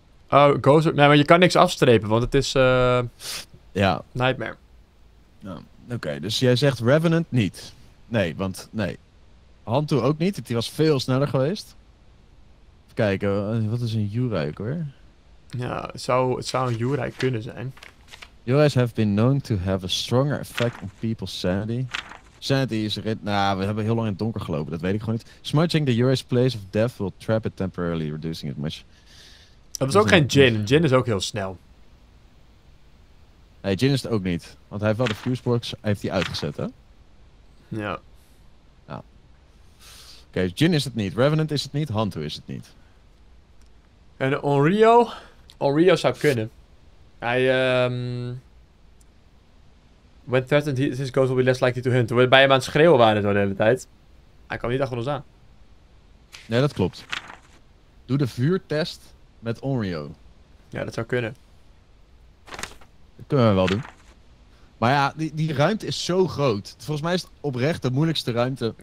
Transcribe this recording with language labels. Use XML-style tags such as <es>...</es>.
<nl>Oh, Ghost Orbs. Nee, maar je kan niks afstrepen, want het is Nightmare. Nou, oké, dus jij zegt Revenant niet. Nee, want nee. Hantu ook niet, die was veel sneller geweest. Even kijken, wat is een Yurai hoor? Ja, het zou een Yurai kunnen zijn.</nl> <en>Yurais have been known to have a stronger effect on people's sanity.</en> <nl>Sanity is erin. Nou, we hebben heel lang in het donker gelopen, dat weet ik gewoon niet.</nl> <en>Smudging the Yurai's place of death will trap it temporarily, reducing it much.</en> <nl>Dat is ook geen Jin. Jin is ook heel snel. Nee, Jin is het ook niet. Want hij heeft wel de fuse box, hij heeft die uitgezet, hè? Ja. Ja. Oké, okay, Jin is het niet. Revenant is het niet. Hantu is het niet. En Onryo? Onryo zou kunnen.</nl> <en>Hij, when threatened, his ghost will be less likely to hunt.</en> <nl>Toen we bij hem aan het schreeuwen waren zo de hele tijd. Hij kwam niet achter ons aan. Nee, dat klopt. Doe de vuurtest met Onryo. Ja, dat zou kunnen. Dat kunnen we wel doen. Maar ja, die ruimte is zo groot. Volgens mij is het oprecht de moeilijkste ruimte.</nl>